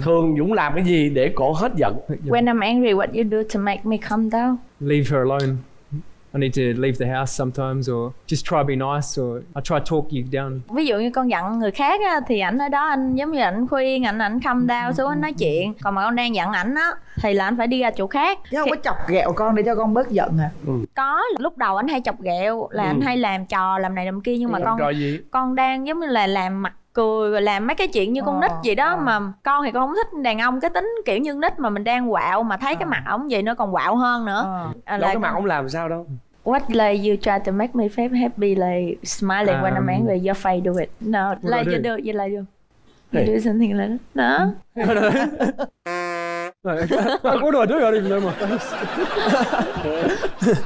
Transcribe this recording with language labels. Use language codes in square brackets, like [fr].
[vi] Thường Dũng làm cái gì để cổ hết giận? [en] When I'm angry, what you do to make me calm down? Leave her alone. I need to leave the house sometimes or just try to be nice or I try to talk you down. [vi] Ví dụ như con giận người khác á, thì ảnh ở đó anh giống như ảnh khuyên, ảnh [en] calm down [vi] xuống anh nói chuyện. Còn mà con đang giận ảnh á thì là anh phải đi ra chỗ khác. Chứ không có chọc ghẹo con để cho con bớt giận hả? Có, lúc đầu anh hay chọc ghẹo là anh hay làm trò làm này làm kia, nhưng mà con đang giống như là làm mặt cười rồi làm mấy cái chuyện như con nít vậy đó. Mà con thì con không thích đàn ông cái tính kiểu như nít, mà mình đang quạo mà thấy cái mặt ổng vậy nó còn quạo hơn nữa. Cái mặt ổng làm sao đâu. [en] What like you try to make me feel happy, like smiling when I'm angry, your face do it. No, like you do it, you like you. You do something like that. No? What do I do? I don't even know my